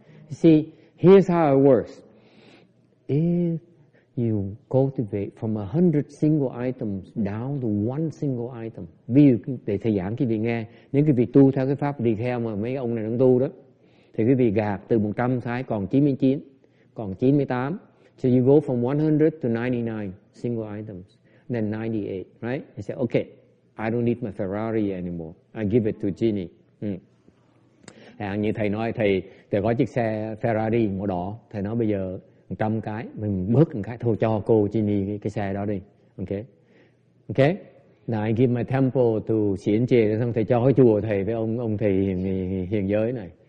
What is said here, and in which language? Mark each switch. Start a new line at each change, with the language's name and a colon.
English: You see, here's how it works. If you cultivate from 100 single items down to one single item.
Vietnamese: Ví dụ để thầy giảng quý vị nghe, nếu quý vị tu theo cái pháp đi theo mà mấy ông này đang tu đó, thì quý vị gạt từ 100 thái còn 99, còn 98.
English: So you go from 100 to 99 single items, then 98, right? You say, okay, I don't need my Ferrari anymore. I give it to Ginny.
Vietnamese: À, như thầy nói, thầy có chiếc xe Ferrari màu đỏ, thầy nói bây giờ 100 cái, mình bớt 1 cái, thôi cho cô Ginny cái xe đó đi. Ok?
English: Now I give my temple to
Vietnamese: Xiển Trì, xong thầy cho cái chùa thầy với ông thầy hiền giới này.